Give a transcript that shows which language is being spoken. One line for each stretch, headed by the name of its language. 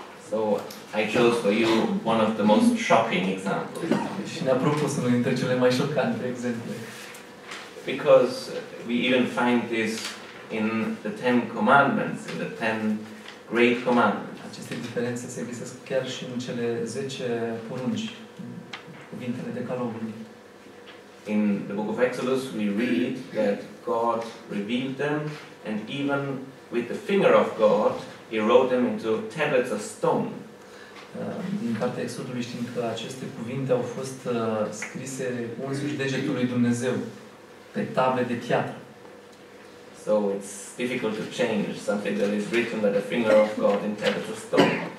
English: So I chose for you one of the most shocking examples.
Romanian: Și ne-a propus unul dintre cele mai șocante exemple.
English: Because we even find this in the Ten Commandments, in the Ten Great Commandments.
Romanian: Aceste diferențe se găsesc chiar și în cele 10 porunci, cuvintele Decalogului.
English: In the book of Exodus we read that God revealed them and even with the finger of God he wrote them into tablets of stone.
Romanian: Din cartea Exodului știm că aceste cuvinte au fost scrise însuși degetul lui Dumnezeu. Pe table de piatră.
English: So it's difficult to change something that is written by the finger of God in tablets of stone.